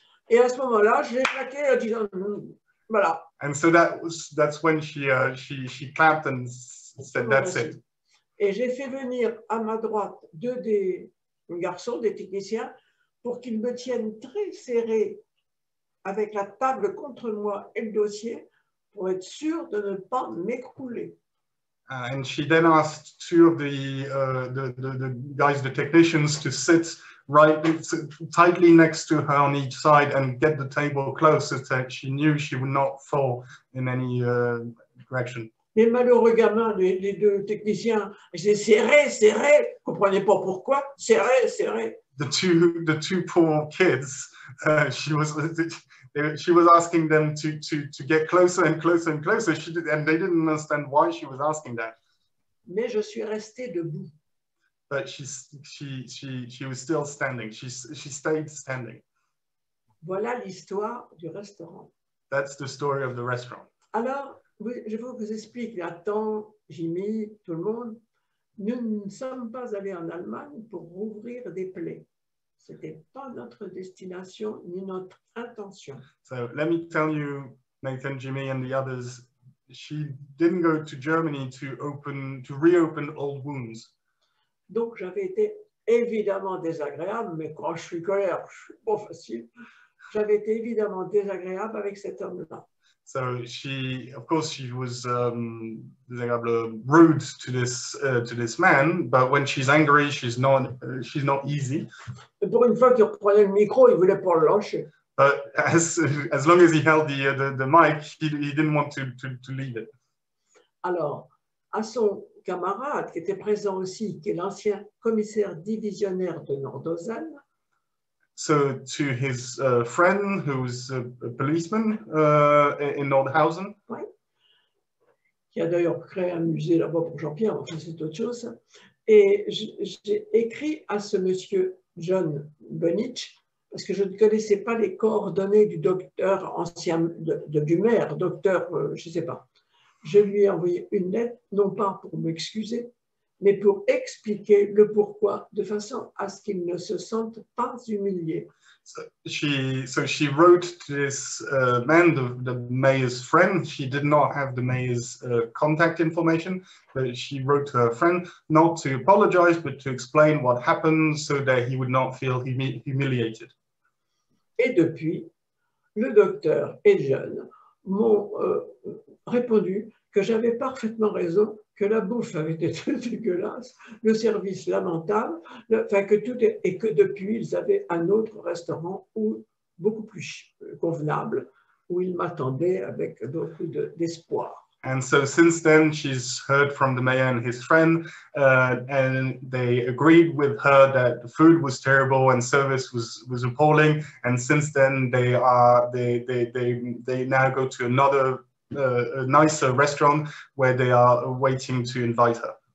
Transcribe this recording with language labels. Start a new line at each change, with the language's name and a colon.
French: Et à ce moment-là, j'ai claqué en disant voilà.
English: And so that's when she clapped and said that's it.
French: Et j'ai fait venir à ma droite deux des garçons, des techniciens, pour qu'ils me tiennent très serré avec la table contre moi et le dossier pour être sûr de ne pas m'écrouler.
English: And she then asked two of the guys, the technicians, to sit right tightly next to her on each side and get the table close so that she knew she would not fall in any direction.
French: Les malheureux gamins, les deux techniciens, ils étaient serré, comprenez pas pourquoi, serré.
English: The two poor kids, she was asking them to get closer and closer and closer. And they didn't understand why she was asking that.
French: Mais je suis restée debout.
English: But she was still standing. She stayed standing.
French: Voilà l'histoire du restaurant.
English: That's the story of the restaurant.
French: Alors, je vous explique. Attends, Jimmy, tout le monde. Nous ne sommes pas allés en Allemagne pour rouvrir des plaies. Ce n'était pas notre destination ni notre intention.
English: So let me tell you, Nathan, Jimmy and the others, she didn't go to Germany to reopen old wounds.
French: Donc j'avais été évidemment désagréable, mais quand je suis colère, je ne suis pas facile. J'avais été évidemment désagréable avec cet homme-là.
English: So she, of course, she was désagréable, rude to this man. But when she's angry, she's not easy.
French: Pour une fois qu'il reprenait le micro, il voulait pas le lâcher.
English: But as long as he held the mic, he didn't want to leave it.
French: Alors, à son camarade qui était présent aussi, qui est l'ancien commissaire divisionnaire de Nordhausen.
English: So to his friend, who's a policeman in Nordhausen.
French: Oui. Qui a d'ailleurs créé un musée là-bas pour Jean-Pierre, enfin c'est autre chose. Et j'ai écrit à ce monsieur John Bonich, parce que je ne connaissais pas les coordonnées du docteur ancien, du maire, docteur, je ne sais pas. Je lui ai envoyé une lettre, non pas pour m'excuser, mais pour expliquer le pourquoi, de façon à ce qu'il ne se sente pas humilié.
English: So she wrote to this man, the mayor's friend. She did not have the mayor's contact information, but she wrote to her friend not to apologize, but to explain what happened so that he would not feel humiliated.
French: Et depuis, le docteur et John m'ont répondu que j'avais parfaitement raison, que la bouffe avait été dégueulasse, le service lamentable, et que depuis, ils avaient un autre restaurant où, beaucoup plus convenable, où ils m'attendaient avec beaucoup d'espoir.
English: And so since then, she's heard from the mayor and his friend, and they agreed with her that the food was terrible and service was appalling, and since then, they now go to another a nicer restaurant where they are waiting to invite her.